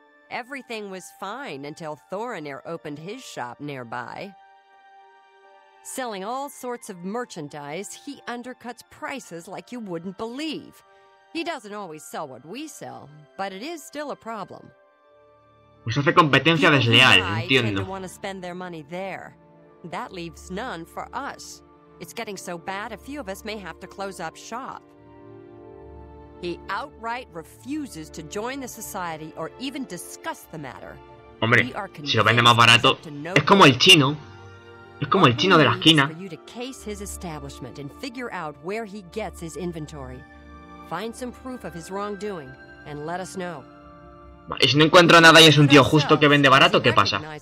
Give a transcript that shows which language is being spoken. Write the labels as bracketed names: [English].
[English] Everything was fine until Thoronir opened his shop nearby. Selling all sorts of merchandise, he undercuts prices like you wouldn't believe. He doesn't always sell what we sell, but it is still a problem. [Spanish] Pues hace competencia desleal, entiendo. [English] Want to spend their money there. That leaves none for us. It's getting so bad, a few of us may have to close up shop. He outright refuses to join the society or even discuss the matter. [Spanish] Hombre, si lo vende más barato, es como el chino. Es como el chino de la esquina. [English] For you to case his establishment and figure out where he gets his inventory. Find some proof of his wrongdoing and let us know. [Spanish] Y si no encuentro nada y es un tío justo que vende barato, ¿qué pasa?